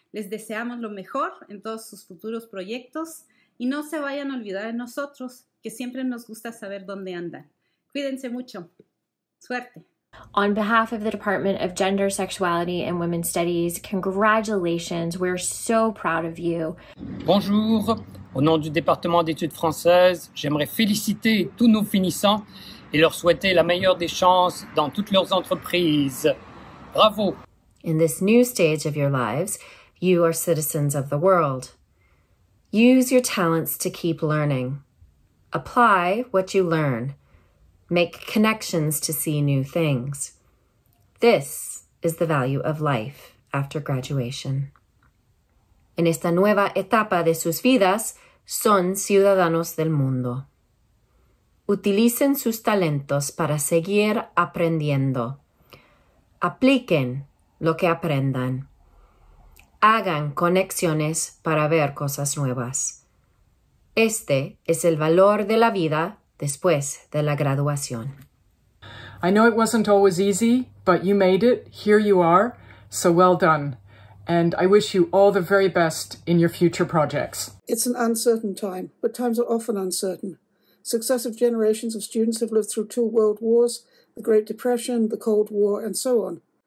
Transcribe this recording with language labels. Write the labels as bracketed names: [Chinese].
[Spanish] Les deseamos lo mejor en todos sus futuros proyectos. Y no se vayan a olvidar de nosotros, que siempre nos gusta saber dónde andan. Cuídense mucho. Suerte. [English] On behalf of the Department of Gender, Sexuality, and Women's Studies, congratulations. We're so proud of you. [French] Bonjour. Au nom du département d'études françaises, j'aimerais féliciter tous nos finissants et leur souhaiter la meilleure des chances dans toutes leurs entreprises. Bravo. [English] In this new stage of your lives, you are citizens of the world. Use your talents to keep learning. Apply what you learn. Make connections to see new things. This is the value of life after graduation. [Spanish] En esta nueva etapa de sus vidas, son ciudadanos del mundo. Utilicen sus talentos para seguir aprendiendo. Apliquen lo que aprendan. Hagan conexiones para ver cosas nuevas. Este es el valor de la vida después de la graduación. [English] I know it wasn't always easy, but you made it. Here you are. So well done. And I wish you all the very best in your future projects. It's an uncertain time, but times are often uncertain. Successive generations of students have lived through two world wars, the Great Depression, the Cold War, and so on.